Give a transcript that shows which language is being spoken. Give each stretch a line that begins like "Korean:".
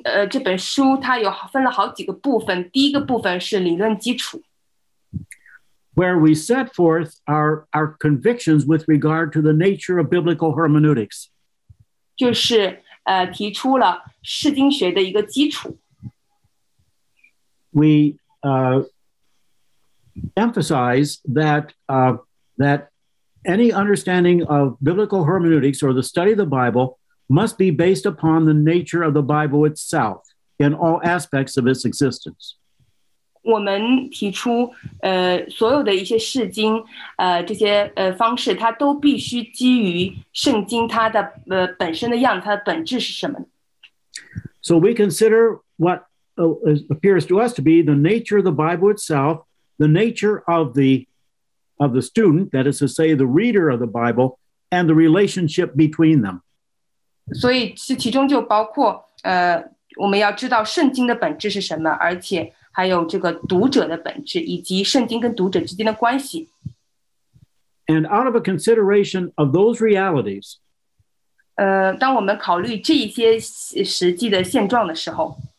Chinese: 这本书它有分了好几个部分。第一个部分是理论基础。
English: Where we set forth our convictions with regard to the nature of biblical hermeneutics.
Chinese: 就是提出了释经学的一个基础。
English: Emphasize that any understanding of biblical hermeneutics or the study of the Bible must be based upon the nature of the Bible itself in all aspects of its existence.
Chinese: 我们提出所有的一些释经这些方式它都必须基于圣经它的本身的样子它的本质是什么。
English: So we consider what appears to us to be the nature of the Bible itself,The nature of the student, that is to say, the reader of the Bible, and the relationship between them.
Chinese: 所以是其中就包括我们要知道圣经的本质是什么，而且还有这个读者的本质，以及圣经跟读者之间的关系。
English: And out of a consideration of those realities,
Chinese: 当我们考虑这一些实际的现状的时候